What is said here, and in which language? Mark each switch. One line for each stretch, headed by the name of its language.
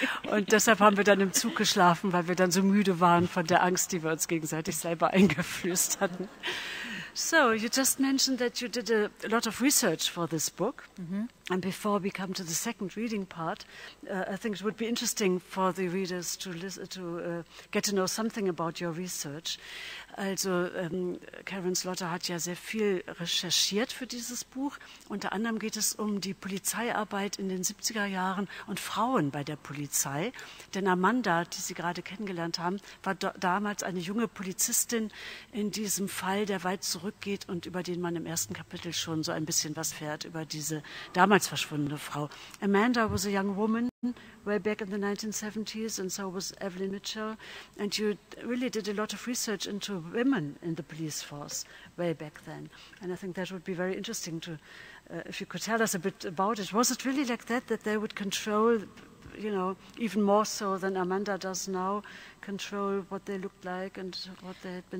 German: Und deshalb haben wir dann im Zug geschlafen, weil wir dann so müde waren von der Angst, die wir uns gegenseitig selber eingeflößt hatten.
English: So, you just mentioned that you did a lot of research for this book. Mm-hmm. And before we come to the second reading part, I think it would be interesting for the readers to get to know something about your research.
German: Also, Karen Slaughter hat ja sehr viel recherchiert für dieses Buch. Unter anderem geht es um die Polizeiarbeit in den 70er Jahren und Frauen bei der Polizei. Denn Amanda, die Sie gerade kennengelernt haben, war damals eine junge Polizistin in diesem Fall, der weit zurückgeht und über den man im ersten Kapitel schon so ein bisschen was fährt, über diese damals damals verschwundene Frau.
English: Amanda was a young woman way back in the 1970s and so was Evelyn Mitchell. And you really did a lot of research into women in the police force way back then. And I think that would be very interesting to, if you could tell us a bit about it. Was it really like that, that they would control, you know, even more so than Amanda does now, control what they looked like and what they had been?